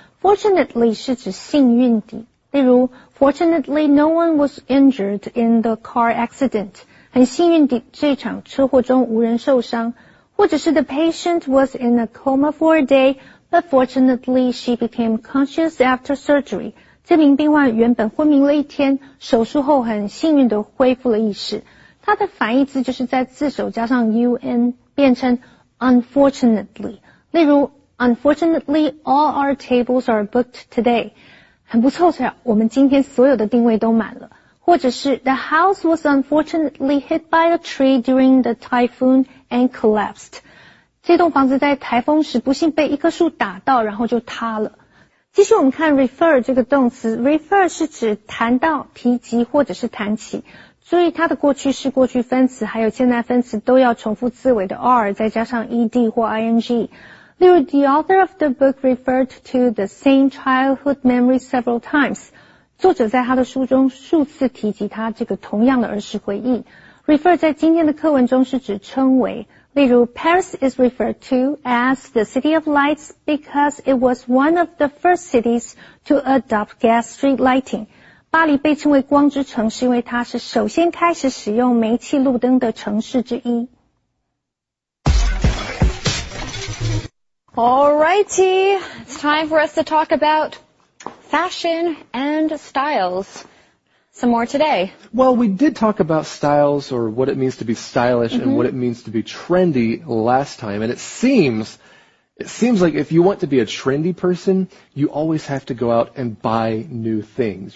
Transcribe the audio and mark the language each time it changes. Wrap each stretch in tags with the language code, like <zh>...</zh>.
<zh>Fortunately 是指幸运地。例如</zh> <en>,fortunately no one was injured in the car accident.</en> <zh>很幸运地这场车祸中无人受伤。或者是</zh> <en>the patient was in a coma for a day, but fortunately she became conscious after surgery.</en> <zh>这名病患原本昏迷了一天，手术后很幸运地恢复了意识。它的反义词就是在自首加上 un 变成 unfortunately。例如</zh> <en>,unfortunately, all our tables are booked today.</en> <zh>很不凑巧，我们今天所有的定位都满了。或者是</zh> <en>,the house was unfortunately hit by a tree during the typhoon and collapsed.</en> <zh>这栋房子在台风时不幸被一棵树打到然后就塌了。继续我们看 refer 这个动词。refer 是指谈到、提及或者是谈起。注意它的过去式、过去分词还有现在分词都要重复字尾的 r 再加上 ed 或 ing。例如</zh> <en>,the author of the book referred to the same childhood memory several times.</en> <zh>作者在他的书中数次提及他这个同样的儿时回忆。 refer 在今天的课文中是指称为。例如</zh> <en>,Paris is referred to as the city of lights because it was one of the first cities to adopt gas street lighting.</en> <zh>巴黎被称为光之城是因为它是首先开始使用煤气路灯的城市之一。</zh> <en>Alrighty, it's time for us to talk about fashion and styles. Some more today. Well, we did talk about styles or what it means to be stylish mm-hmm. and what it means to be trendy last time, and it seems like if you want to be a trendy person, you always have to go out and buy new things.</en>